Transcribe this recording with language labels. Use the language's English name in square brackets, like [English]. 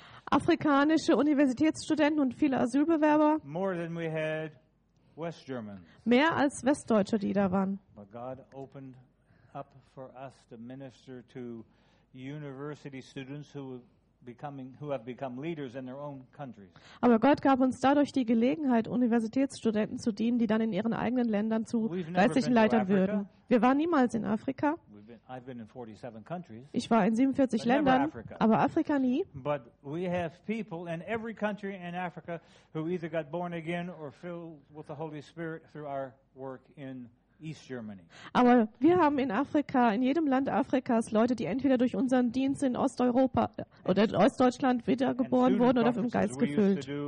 [German] Afrikanische Universitätsstudenten und viele Asylbewerber. [English] More than we had West Germans. [German] Mehr als Westdeutsche, die da waren. [English] But God opened up for us to minister to university students who have become leaders in their own countries. [German] Aber Gott gab uns dadurch die Gelegenheit, Universitätsstudenten zu dienen, die dann in ihren eigenen Ländern zu geistlichen Leitern würden. Wir waren niemals in Afrika. [English] I've been in 47 countries. [German] Ich war in 47 Ländern, aber Afrika nie. [English] But we have people in every country in Africa who either got born again or filled with the Holy Spirit through our work in East Germany. [German] Aber wir haben in Afrika, in jedem Land Afrikas, Leute, die entweder durch unseren Dienst in Osteuropa oder in Ostdeutschland wiedergeboren wurden oder vom Geist gefüllt.